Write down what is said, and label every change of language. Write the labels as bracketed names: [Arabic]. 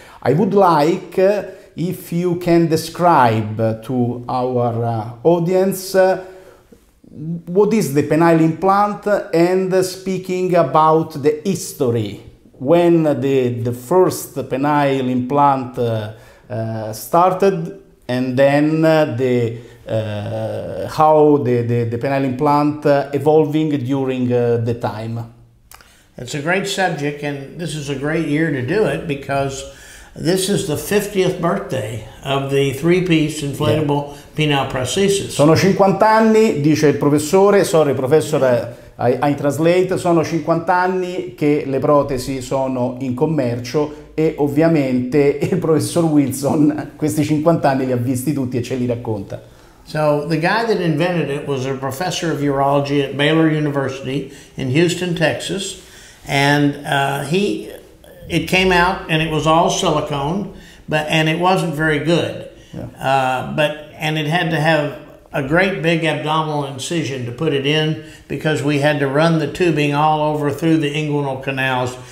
[English] I would like if you can describe to our audience what is the penile implant and speaking about the history, when the first penile implant started, and then how the penile implant evolving during the time. It's a great subject, and this is a great year to do it because this is the 50th birthday of the three-piece inflatable penile prosthesis. [Italian] Sono 50 anni, dice il professore. [English] Sorry, professor, I translate. [Italian] Sono 50 anni che le protesi sono in commercio e ovviamente il professor Wilson questi 50 anni li ha visti tutti e ce li racconta. [English] So the guy that invented it was a professor of urology at Baylor University in Houston, Texas, and it came out and it was all silicone, but and it wasn't very good. Yeah. But it had to have a great big abdominal incision to put it in because we had to run the tubing all over through the inguinal canals.